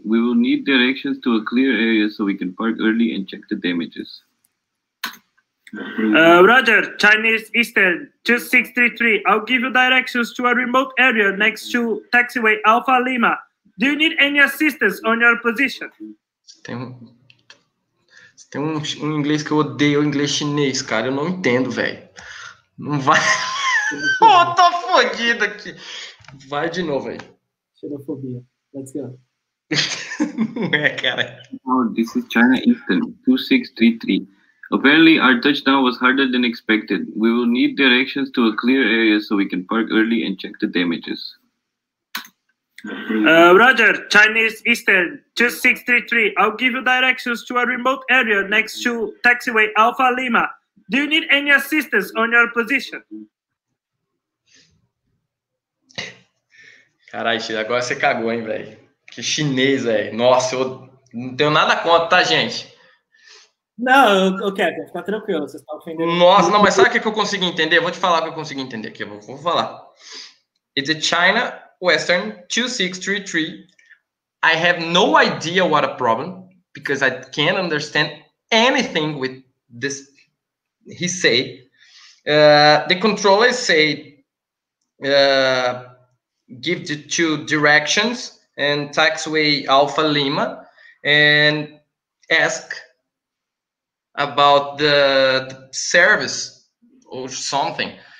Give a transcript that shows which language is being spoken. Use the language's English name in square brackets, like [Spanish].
[English] We will need directions to a clear area so we can park early and check the damages. Roger, Chinese Eastern, 2633. I'll give you directions to a remote area next to taxiway Alpha Lima. Do you need any assistance on your position? [Portuguese] Tem um inglês que eu odeio, o inglês chinês, cara. Eu não entendo, velho. Não vai. Oh, tô fodido aqui. Vai de novo, velho. Xenofobia. [English] Let's go. [Portuguese] Não é, cara. Oh, this is China Eastern, 2633. Apparently, our touchdown was harder than expected. We will need directions to a clear area so we can park early and check the damages. Roger, Chinese Eastern, 2633. I'll give you directions to a remote area next to taxiway Alpha Lima. Do you need any assistance on your position? Caralho, agora você cagou, hein, velho? Que chinês, velho. Nossa, eu não tenho nada contra, tá, gente? Não, ok, fica tranquilo, você está ofendendo. Nossa, não, mas sabe o que eu consegui entender? Vou te falar o que eu consegui entender aqui, vou falar. [English] It's a China Western 2633. I have no idea what a problem, because I can't understand anything with this. He say, the controller say, give the two directions and taxiway Alpha Lima and ask about the service or something.